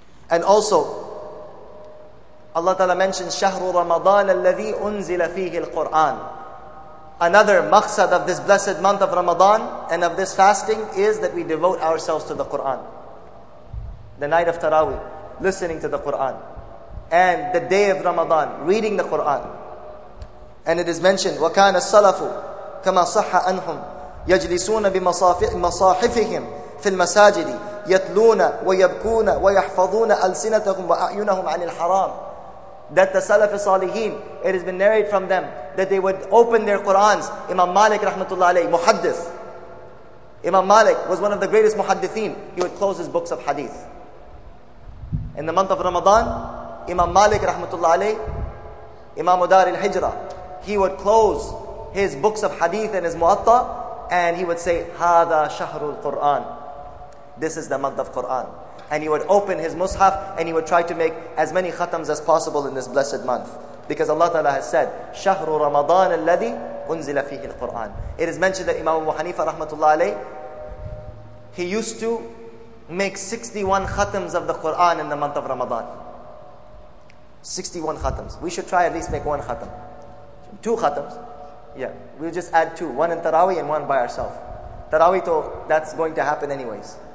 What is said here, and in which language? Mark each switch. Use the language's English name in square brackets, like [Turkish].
[English] And also, Allah Ta'ala mentions [Arabic] شَهْرُ رَمَضَانَ الَّذِي أُنزِلَ فِيهِ الْقُرْآنِ. [English] Another maqsad of this blessed month of Ramadan and of this fasting is that we devote ourselves to the Qur'an. The night of Taraweeh, listening to the Qur'an. And the day of Ramadan, reading the Qur'an. And it is mentioned, [Arabic] وَكَانَ السَّلَفُ كَمَا صَحَّ أَنْهُمْ يَجْلِسُونَ بِمَصَاحِفِهِمْ فِي الْمَسَاجِدِ يَتْلُونَ وَيَبْكُونَ وَيَحْفَظُونَ أَلْسِنَتَهُمْ وَأَعْيُنَهُمْ عَنِ الْحَرَامِ. [English] That the Salaf al-Salihin, it has been narrated from them that they would open their Qur'ans. Imam Malik rahmatullah alayhi, muhaddith. Imam Malik was one of the greatest muhaddithin. He would close his books of hadith. In the month of Ramadan, Imam Malik rahmatullah alayhi, Imam Udar al-Hijra, he would close his books of hadith and his muatta, and he would say, [Arabic] هَذَا شَهْرُ الْقُرْآنِ. [English] This is the month of Qur'an. And he would open his mushaf and he would try to make as many khatams as possible in this blessed month. Because Allah Ta'ala has said, [Arabic] شَهْرُ رَمَضَانَ الَّذِي أُنزِلَ فِيهِ الْقُرْآنِ. [English] It is mentioned that Imam Abu Hanifa rahmatullah alayh, he used to make 61 khatams of the Qur'an in the month of Ramadan. 61 khatams. We should try at least make one khatam. Two khatams. Yeah, we'll just add two. One in Taraweeh and one by ourselves. Taraweeh, that's going to happen anyways.